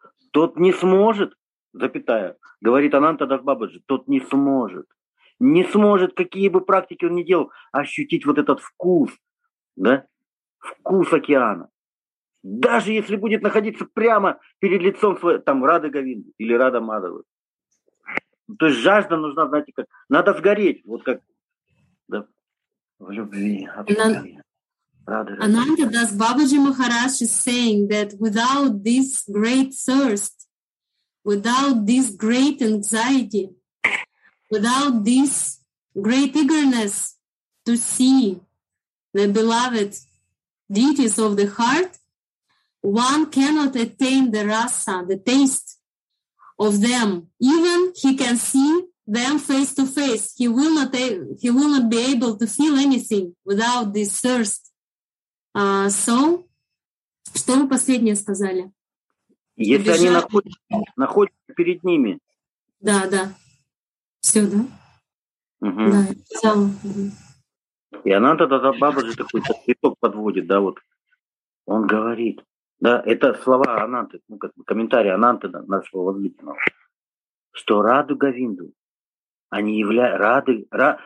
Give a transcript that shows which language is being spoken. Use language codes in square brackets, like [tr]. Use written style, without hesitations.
[ru] тот не сможет, запятая, говорит Анантадас Бабаджи, тот не сможет, какие бы практики он ни делал, ощутить вот этот вкус, да, вкус океана. Даже если будет находиться прямо перед лицом своей, там, Рады Говинды или Рада Мадавы. То есть жажда нужна, знаете, как, надо сгореть, вот как, да. [en] Ananta Das Babaji Maharaj is saying that without this great thirst, without this great anxiety, without this great eagerness to see the beloved deities of the heart, one cannot attain the rasa, the taste of them. Even he can see them face to face, he will not be able to feel anything without this thirst. [ru] So, что вы последнее сказали? Если они находятся перед ними. Да, да. Все, да? Угу. Да. И она тогда Бабаджи такой цветок подводит, да, вот. Он говорит, да, это слова Ананты, ну, как бы комментарий Ананты нашего возлюбленного, что Раду Говинду они являются рады.